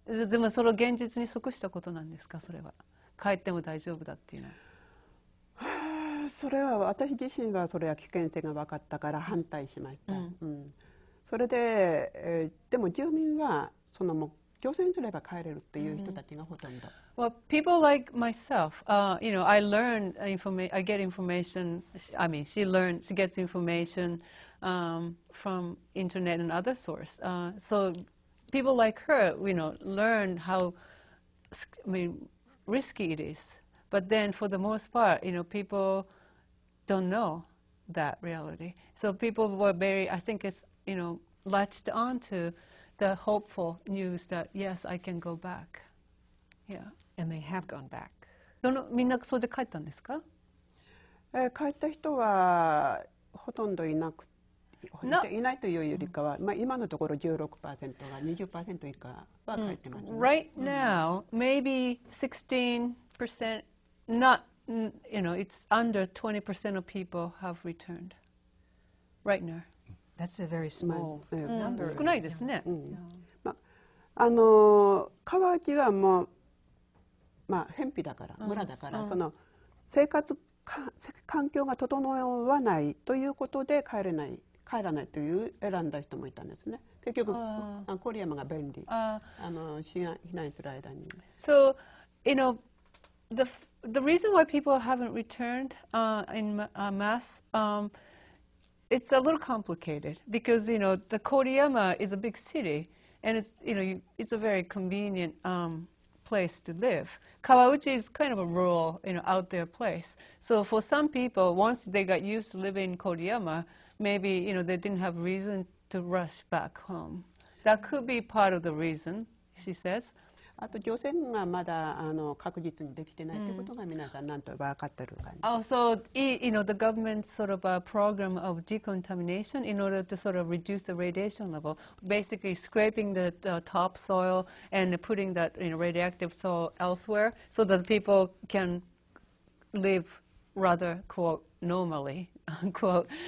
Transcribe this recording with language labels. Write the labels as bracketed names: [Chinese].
[Japanese] でもその現実に即したことなんですか、それは。帰っても大丈夫だっていうのは。それは私自身はそれは危険性が分かったから反対しました。うんうん、それで、でも住民はそのもう行政にすれば帰れるっていう人たちがほとんど。うん、 [English] well, people like myself, you know, I learn information, I get information, I mean, she learns, she gets information. From internet and other source. So people like her, you know, learn how I mean, risky it is. But then for the most part, you know, people don't know that reality. So people were very, I think it's, you know, latched onto the hopeful news that, yes, I can go back. Yeah. And they have gone back. [Japanese] どの、みんなそれで帰ったんですか? 帰った人はほとんどいなくて。いないというよりかは、まあ、今のところ 16% が 20% 以下は書いてますね。 [English] Right now, maybe 16%, not, you know, it's under 20% of people have returned. Right now. That's a very small number. [Japanese] 少ないですね。川内はもう、まあ、辺鄙だから、村だから、その生活環境が整わないということで帰れない。帰らないという選んだ人もいたんですね。結局、郡山が便利。避難する間に。 [English] So, you know, the reason why people haven't returned in mass, it's a little complicated because, you know, the Koriyama is a big city and it's, you know, it's a very convenient place to live. Kawauchi is kind of a rural, you know, out there place. So for some people, once they got used to living in Koriyama,Maybe you know they didn't have reason to rush back home. That could be part of the reason, she says. [Japanese] あと除染がまだあの確実にできてないということが皆さんなんと分かってる感じ。 [English] Also, you know, the government sort of a program of decontamination in order to sort of reduce the radiation level, basically scraping the topsoil and putting that, you know, radioactive soil elsewhere so that people can live rather, quote, normally, unquote.